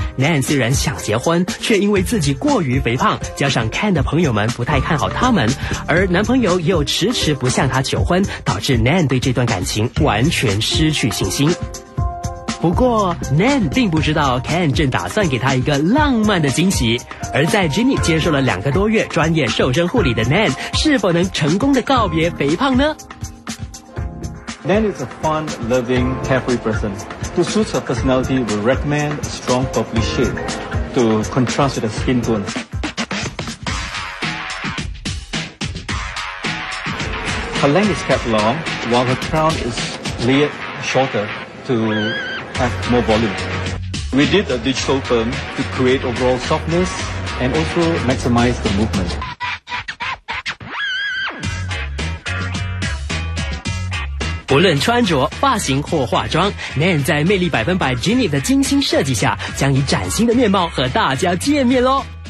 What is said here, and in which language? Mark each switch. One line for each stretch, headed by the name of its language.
Chinese: Nan 虽然想结婚，却因为自己过于肥胖，加上 Ken 的朋友们不太看好他们，而男朋友又迟迟不向他求婚，导致 Nan 对这段感情完全失去信心。不过 Nan 并不知道 Ken 正打算给他一个浪漫的惊喜，而在 Jenny 接受了2个多月专业瘦身护理的 Nan 是否能成功的告别肥胖呢？
English: Nan is a fun, loving, happy person. To suit her personality, we recommend a strong bubbly shape to contrast with the skin tone. Her length is kept long, while her crown is layered shorter to have more volume. We did a digital perm to create overall softness and also maximize the movement.
Chinese: 无论穿着、发型或化妆 ，Nan 在魅力百分百 Jenny 的精心设计下，将以崭新的面貌和大家见面喽。